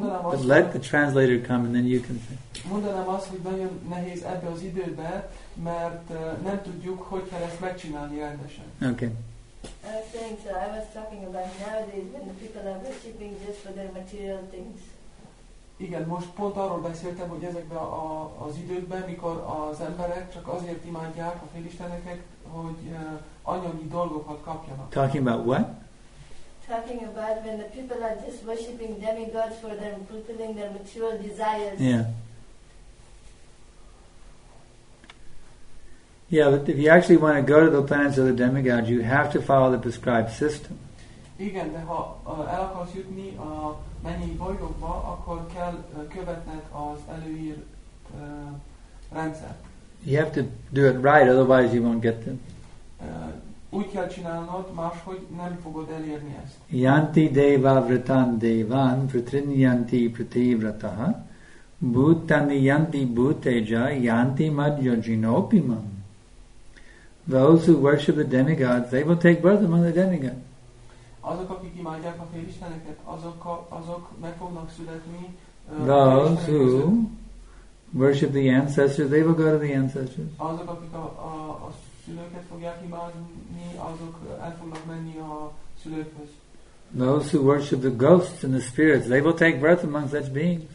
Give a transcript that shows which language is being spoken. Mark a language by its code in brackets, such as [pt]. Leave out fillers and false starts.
[en] But let the translator come and then you can say. [hu] Mondanám azt, hogy nagyon nehéz ebbe az időbe, mert nem tudjuk, hogy kell ezt megcsinálni rendesen. [en] Okay. I was talking about nowadays when the people are worshipping just for their material things. [hu] Igen, most pont arról beszéltem, hogy ezekben az időkben, mikor az emberek csak azért imádják a félisteneket, hogy anyagi dolgokat kapjanak. [en] Talking about what? Talking about when the people are just worshipping demigods for them fulfilling their material desires. Yeah. Yeah, but if you actually want to go to the planets of the demigods, you have to follow the prescribed system. [hu] Igen, de ha el akarsz jutni a mennyei bolygókba, akkor kell követned az előírt rendszer. [en] You have to do it right, otherwise you won't get them. [hu] Úgy kell csinálnod, máshogy nem fogod elérni ezt. [sa] Yanti deva vritan devan pritrinyanti pritivrataha bhutani yanti bhuteja yanti madhyajinopimam. [en] Those who worship the demigods, they will take birth among the demigods. [hu] Azok, akik imádják a félisteneket, azok meg fognak születni. [en] Those who worship the ancestors, they will go to the ancestors. [hu] Azok, akik a szülőket fogják imádni, azok el fognak menni a szülőkhöz. [en] Those who worship the ghosts and the spirits, they will take birth among such beings.